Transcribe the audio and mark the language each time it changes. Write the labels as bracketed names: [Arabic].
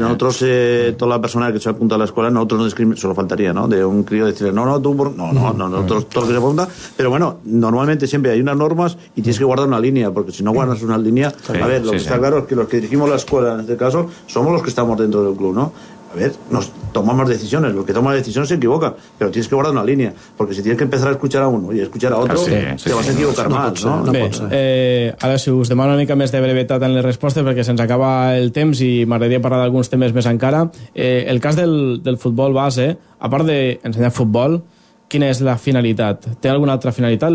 [Catalan] Nosaltres, tota la persona que s'ha apuntat a l'escola, nosaltres no discriminem, [Spanish] solo faltaria, [Catalan] no?, de un crio dir, nosaltres tot el que s'apunta, però bueno, normalment sempre hi ha unes normes i tens que guardar una línia, perquè si no guardes una línia, està clar que els que dirigim l'escola, en aquest cas, som els que estem dentro del club, no? [Spanish] A ver, nos tomamos decisiones, los que toman decisiones se equivocan, pero tienes que guardar una línea, porque si tienes que empezar a escuchar a uno y escuchar a otro, vas a equivocar más, ¿no? [Catalan] Ara, si us demano una mica més de brevetat en les respostes, perquè se'ns acaba el temps i m'agradaria parlar d'alguns temes més encara, el cas del futbol base, a part d'ensenyar futbol, quina és la finalitat? Té alguna altra finalitat?